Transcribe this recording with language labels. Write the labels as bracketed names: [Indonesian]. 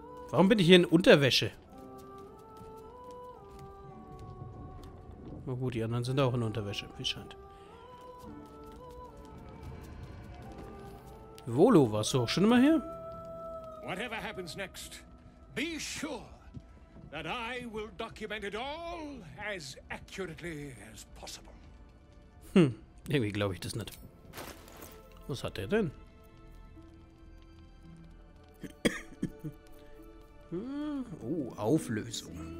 [German] Warum bin ich hier in Unterwäsche? Na gut, die anderen sind auch in Unterwäsche, wie scheint. Volo, warst du auch schon immer hier? [English] Whatever happens next, be sure that I will document it all as accurately as possible. [German] Irgendwie glaube ich das nicht. Was hat der denn? Oh, Auflösung.